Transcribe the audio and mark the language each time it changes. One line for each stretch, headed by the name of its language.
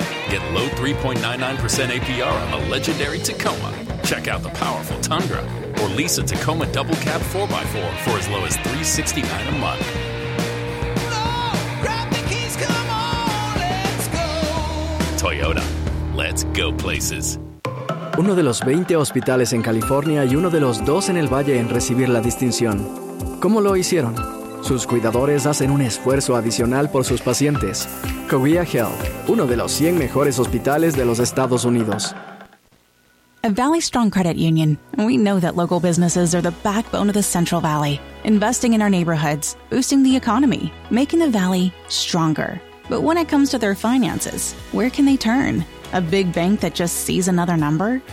English: Get low 3.99% APR on a legendary Tacoma. Check out the powerful Tundra or lease a Tacoma double cab 4x4 for as low as $369 a month. No, grab the keys, come on, let's go. Toyota, let's go places.
Spanish: Uno de los 20 hospitales en California y uno de los dos en el Valle en recibir la distinción. ¿Cómo lo hicieron? Sus cuidadores hacen un esfuerzo adicional por sus pacientes. Korea Health, uno de los 100 mejores hospitales de los Estados Unidos.
English: At Valley Strong Credit Union, we know that local businesses are the backbone of the Central Valley, investing in our neighborhoods, boosting the economy, making the valley stronger. But when it comes to their finances, where can they turn? A big bank that just sees another number?